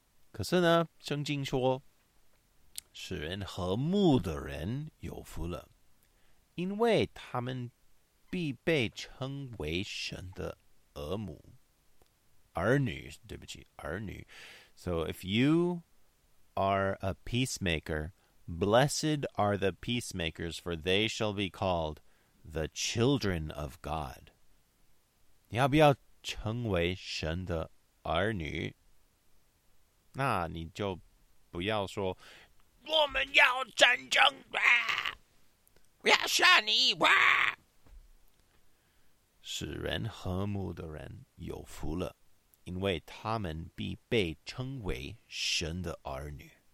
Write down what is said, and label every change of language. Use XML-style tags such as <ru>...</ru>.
<zh>可是呢，圣经说，使人和睦的人有福了，因为他们必被称为神的儿母。儿女，对不起，儿女。</zh> <en>So if you... are a peacemaker, blessed are the peacemakers, for they shall be called the children of God.</en> <zh>你要不要成为神的儿女？那你就不要说，我们要战争，啊，我要杀你，啊，使人和睦的人有福了，因为他们必被称为神的儿女。</zh>